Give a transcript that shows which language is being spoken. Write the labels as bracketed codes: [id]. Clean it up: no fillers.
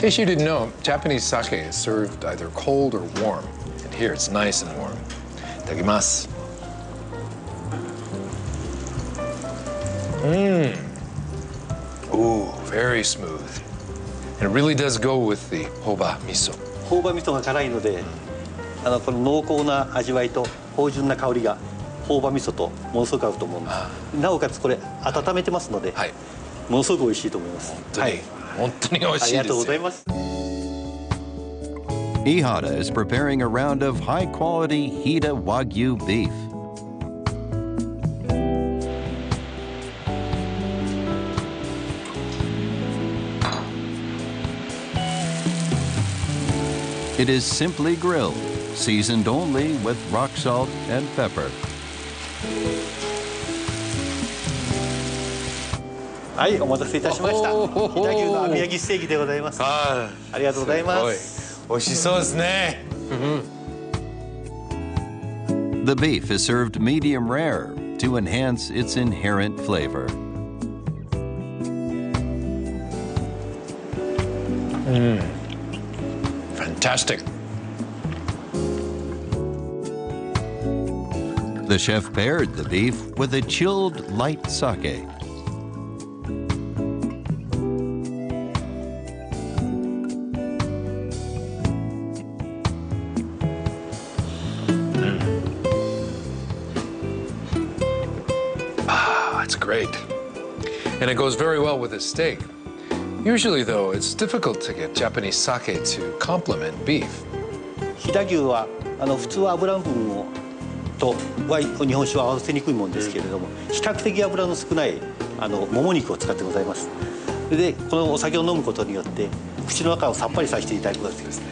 [en] case you didn't know, Japanese sake is served either cold or warm. And here it's nice and warm. Itadakimasu. Mmm. Ooh, very smooth. And it really does go with the hoba miso. [ja] Hoba miso が辛いので、あのこの濃厚な味わいと芳醇な香りが大葉味噌とものすごく合うと思うんです。なおかつこれ温めてますので、はい、ものすごく美味しいと思います。本当に、はい、本当に美味しいです。ありがとうございます。 [en] Ihara is preparing a round of high-quality Hida Wagyu beef. It is simply grilled, seasoned only with rock salt and pepper. [ja] はい、お待たせいたしました。飛騨牛の網焼きステーキでございます。ありがとうございます。美味しそうですね。 [en] The beef is served medium rare to enhance its inherent flavor. Fantastic. The chef paired the beef with a chilled light sake. That's great. And it goes very well with this steak. Usually, though, it's difficult to get Japanese sake to complement beef. [ja] Hida-gyu は、あの、普通は脂分をと日本酒は合わせにくいものですけれども比較的脂の少ないあのもも肉を使ってございます。でこのお酒を飲むことによって口の中をさっぱりさせていただくことができます。